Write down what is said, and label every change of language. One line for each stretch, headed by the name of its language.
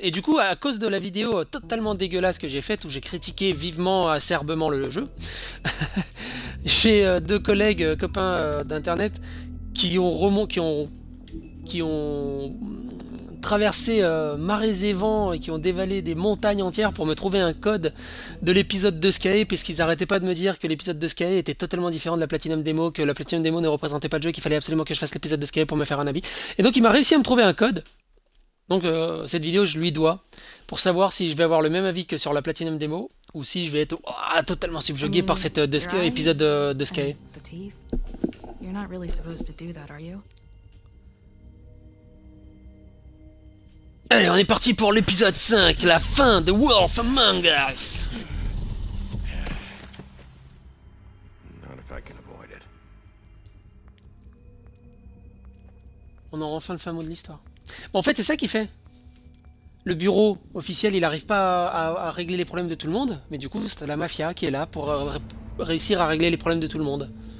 French: Et du coup, à cause de la vidéo totalement dégueulasse que j'ai faite, où j'ai critiqué vivement, acerbement le jeu, j'ai deux collègues, copains d'Internet, qui ont traversé marées et vents et qui ont dévalé des montagnes entières pour me trouver un code de l'épisode de Sky, puisqu'ils n'arrêtaient pas de me dire que l'épisode de Sky était totalement différent de la Platinum Demo, que la Platinum Demo ne représentait pas le jeu, qu'il fallait absolument que je fasse l'épisode de Sky pour me faire un avis. Et donc il m'a réussi à me trouver un code. Donc cette vidéo, je lui dois, pour savoir si je vais avoir le même avis que sur la Platinum Demo, ou si je vais être totalement subjugué par cet épisode de Sky.
English: You're not really supposed to do that, are you?
French: Allez, on est parti pour l'épisode 5, la fin de Wolf Among Us.
English: Not if I can avoid it.
French: On aura enfin le fin mot de l'histoire. Bon, en fait, c'est ça qu'il fait. Le bureau officiel, il arrive pas à régler les problèmes de tout le monde, mais du coup, c'est la mafia qui est là pour réussir à régler les problèmes de tout le monde.